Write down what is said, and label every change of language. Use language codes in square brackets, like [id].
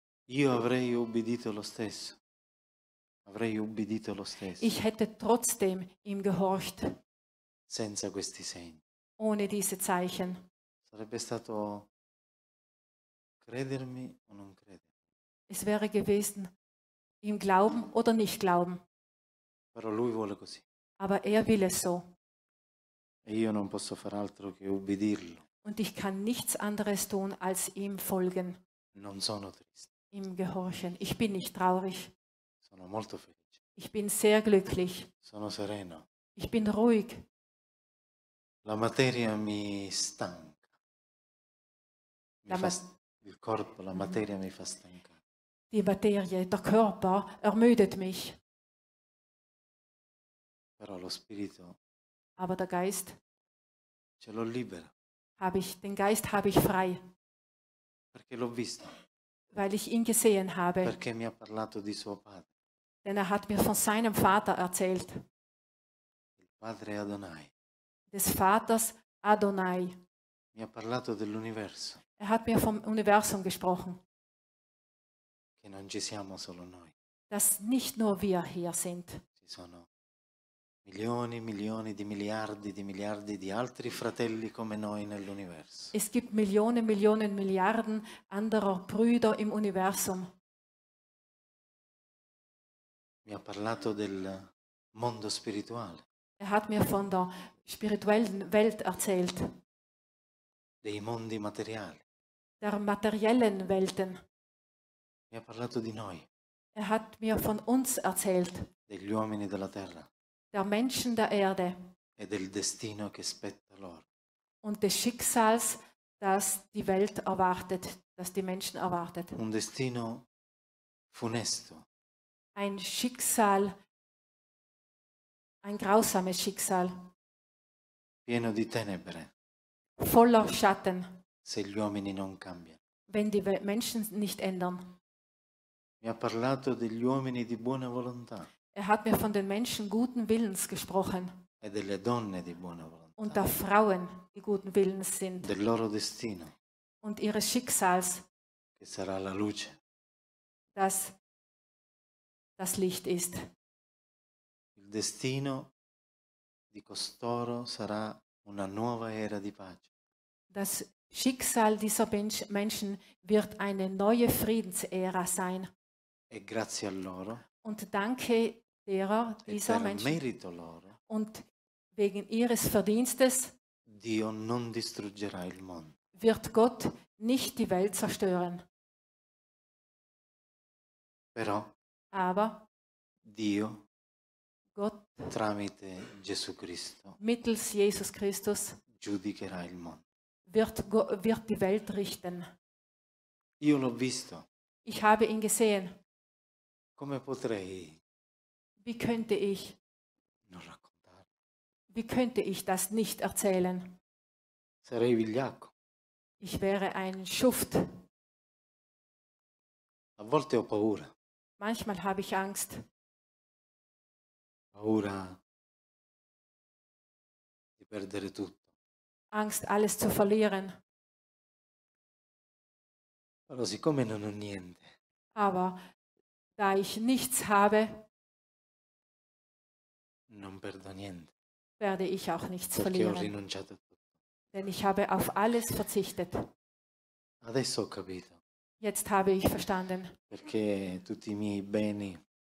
[it] Io avrei ubbidito lo stesso. Avrei ubbidito lo stesso. [de] Ich hätte trotzdem ihm gehorcht. [it] Senza questi segni. [de] Ohne diese Zeichen. [it] Sarebbe stato credermi o non credermi. [de] Es wäre gewesen, ihm glauben oder nicht glauben. [it] Però lui vuole così. [de] Aber er will es so. [it] E io non posso far altro che ubbidirlo. [de] Und ich kann nichts anderes tun, als ihm folgen. [it] Non sono triste. [de] Ihm gehorchen. Ich bin nicht traurig. [it] Sono molto felice. [de] Ich bin sehr glücklich. [it] Sono sereno. [de] Ich bin ruhig. [it] La materia mi stanca. Il corpo, la materia mi fa stanca. [de] Die Materie, der Körper, ermüdet mich. [it] Però lo spirito. [de] Aber der Geist. [it] Ce l'ho libera. [de] Den Geist habe ich frei. [it] Perché l'ho visto. [de] Weil ich ihn gesehen habe. [it] Perché mi ha parlato di suo padre. [de] Denn er hat mir von seinem Vater erzählt. [it] Il padre Adonai. [de] Des Vaters Adonai. [it] Mi ha parlato dell'universo. [de] Er hat mir vom Universum gesprochen. [it] Che non ci siamo solo noi. [de] Dass nicht nur wir hier sind. [it] Ci sono milioni, milioni di miliardi di altri fratelli come noi nell'universo. [de] Es gibt Millionen, Millionen, Milliarden anderer Brüder im Universum. [it] Mi ha parlato del mondo spirituale. [de] Er hat mir von der spirituellen Welt erzählt. [it] Dei mondi materiali. [de] Der materiellen Welten. [it] Mi ha parlato di noi. [de] Er hat mir von uns erzählt. [it] Degli uomini della terra. [de] Der Menschen der Erde. [it] E del destino che spetta loro. [de] Und des Schicksals, das die Welt erwartet, das die Menschen erwartet. [it] Un destino funesto. [de] Ein Schicksal, ein grausames Schicksal. [it] Pieno di tenebre. [de] Voller Schatten. [it] Se gli uomini non cambiano. [de] wenn die Menschen nicht ändern. [it] Mi ha parlato degli uomini di buona volontà. [de] Er hat mir von den Menschen guten Willens gesprochen. [it] E delle donne di buona volontà. [de] Und der Frauen, die guten Willens sind. [it] Del loro destino. [de] Und ihres Schicksals. [it] Che sarà la luce. [de] Das das Licht ist. [it] Il destino di costoro sarà una nuova era di pace. [de] Das Schicksal dieser Menschen wird eine neue Friedensära sein. [it] E grazie a loro. [de] Und danke derer, dieser Menschen. [it] Merito loro. [de] Und wegen ihres Verdienstes. [it] Dio non distruggerà il mondo. [de] Wird Gott nicht die Welt zerstören. [it] Però. [de] Aber. [it] Dio. [de] Gott. [it] Tramite Gesù Cristo. [de] Mittels Jesus Christus. [it] Giudicherà il mondo. [de] Wird die Welt richten. [it] Io l'ho visto. [de] Ich habe ihn gesehen. [it] Come potrei? [de] Wie könnte ich? [it] Non raccontare. [de] Wie könnte ich das nicht erzählen? [it] Sarei vigliacco. [de] Ich wäre ein Schuft. [it] A volte ho paura. [de] Manchmal habe ich Angst. [it] Paura di perdere tutto. [de] Angst, alles zu verlieren. [it] Però siccome non ho niente. [de] Aber da ich nichts habe, [it] non perdo niente. [de] Werde ich auch nichts verlieren. [it] Perché ho rinunciato tutto. [de] Denn ich habe auf alles verzichtet. [it] Adesso ho capito. [de] Jetzt habe ich verstanden. [it] Perché tutti i miei beni,